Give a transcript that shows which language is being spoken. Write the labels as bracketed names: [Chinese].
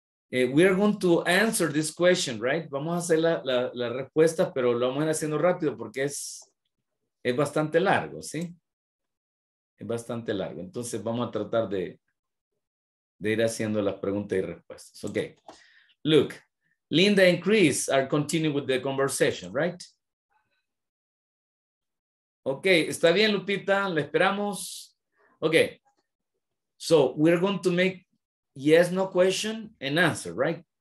[English] We are going to answer this question, right? [Spanish] Vamos a hacer la respuesta, pero lo vamos a ir haciendo rápido porque es bastante largo, ¿sí? Bastante largo. Entonces vamos a tratar de ir haciendo las preguntas y respuestas. [English] Okay. Look, Linda and Chris are continuing with the conversation, right? [Spanish] Okay, está bien, Lupita, la esperamos. Okay. [English] So we're going to make yes, no question and answer, right?